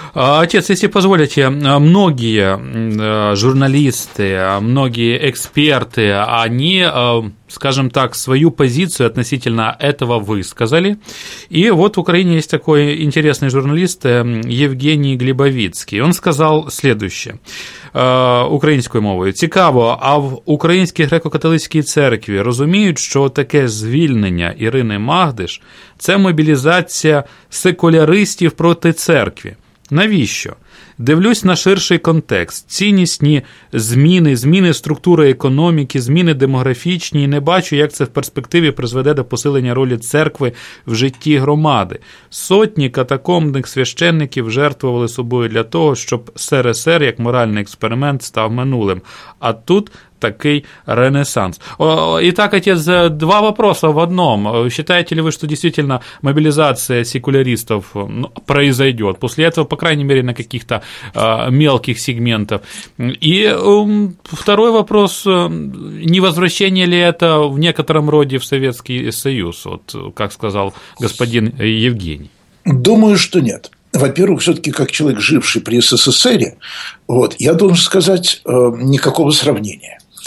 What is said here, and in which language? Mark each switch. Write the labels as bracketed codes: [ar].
[ru] Отец, если позволите, многие журналисты, многие эксперты, они, скажем так, свою позицию относительно этого высказали. И вот в Украине есть такой интересный журналист Евгений Глебовицкий. Он сказал следующее. [uk] Українською мовою. Цікаво, а в Українській греко-католицькій церкві розуміють, що таке звільнення Ірини Магдиш – це мобілізація секуляристів проти церкви? Навіщо? Дивлюсь на ширший контекст. Ціннісні зміни, зміни структури економіки, зміни демографічні, і не бачу, як це в перспективі призведе до посилення ролі церкви в житті громади. Сотні катакомбних священників жертвували собою для того, щоб СРСР як моральний експеримент став минулим. А тут такий ренесанс. І так, отець, [ru] два вопроса [uk] в одному. Вважаєте ли ви, що дійсно мобілізація секуляристів пройде? Після цього, по крайній мірі, на якихось мелких сегментах. [ru] І второй вопрос, не возвращение ли это в некотором роде в Советский Союз, от, как сказал господин Евгений? Думаю, что нет. Во-первых, все-таки как человек, живший при СССР, вот, я должен сказать, никакого сравнения.